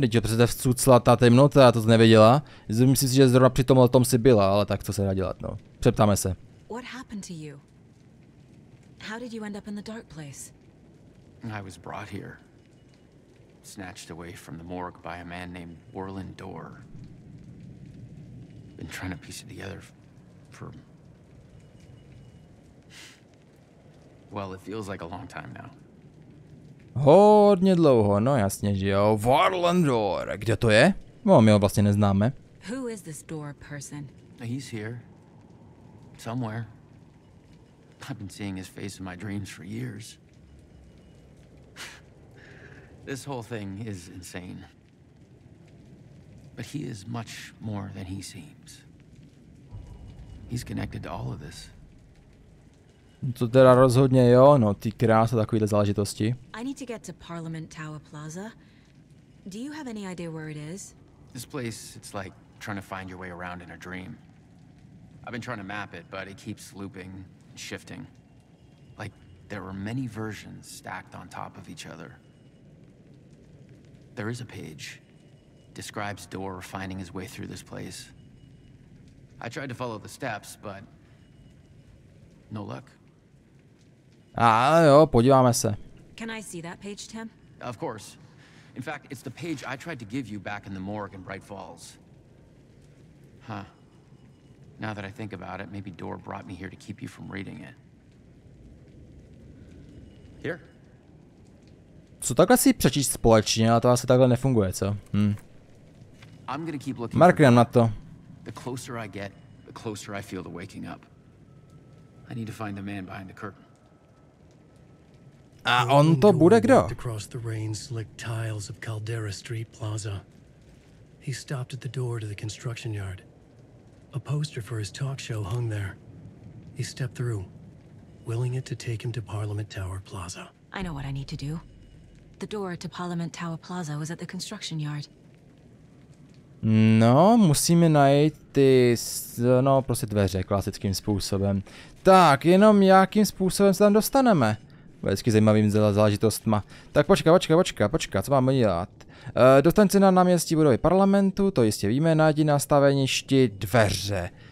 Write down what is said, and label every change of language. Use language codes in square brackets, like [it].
[cs] Teď je přece vcucla ta temnota, já to nevěděla. Myslím si, že zrovna při tomhle tom si byla, ale tak co se dá dělat, no. Přeptáme se. [en] What happened to you? How did you end up in the dark place? I was brought here. Snatched away from the morgue by a man named Warlin Dorr. Been trying to piece it together for Well, it feels like a long time now. [cs] Hodně dlouho, no jasně, že jo. Varlandor, kde to je? No, my ho vlastně neznáme. [en] Who is this door person? He's here. Somewhere. I've been seeing his face in my dreams for years. This whole thing is insane. But he is much more than he seems. He's connected to all of this. [cs] To teda rozhodně jo, no ty krása takovýhle záležitosti. [en] I need to get to Parliament Tower Plaza. Do you have any idea where it is? This place, it's like trying to find your way around in a dream. I've been trying to map it, but it keeps looping and shifting. Like there are many versions stacked on top of each other. There is a page. Describes Dor finding his way through this place. I tried to follow the steps, but no luck. [cs] Ah, jo, podíváme se. [en] Can I see that page, Tim? Of course. In fact, it's the page I tried to give you back in the morgue in Bright Falls. Huh. Now that I think about it, maybe Dor brought me here to keep you from reading it. Here. [cs] Co takhle si přečíst společně, ale to asi takhle nefunguje, co? [en] I'm gonna keep looking. [cs] Mark, jdem na to. [en] The closer I get, the closer I feel to waking up. I need to find the man behind the curtain. [cs] A on to bude kdo? [en] Across the rain-slicked tiles of Caldera Street Plaza. He stopped at the door to the construction yard. A poster for his talk show hung there. He stepped through, willing it to take him to Parliament Tower Plaza. I know what I need to do. The door to Parliament Tower Plaza was at the construction yard. [cs] No, musíme najít ty, no, prostě dveře klasickým způsobem. Tak, jenom jakým způsobem se tam dostaneme? Vždycky zajímavým záležitostma. Tak počkej, co máme dělat? Dostaň se na náměstí budovy parlamentu, to jistě víme, najdi na staveništi dveře.